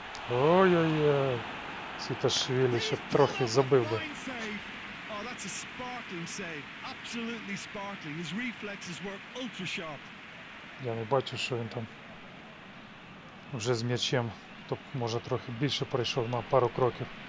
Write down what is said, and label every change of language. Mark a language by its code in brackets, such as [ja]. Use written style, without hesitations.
[uk] Ой-ой-ой, Сіташвілі ще трохи забив би. [en] Oh, that's a sparkling save. Absolutely sparkling. His reflexes were ultra sharp. [uk] Я не бачу, що він там вже з м'ячем, тобто може трохи більше пройшов на пару кроків.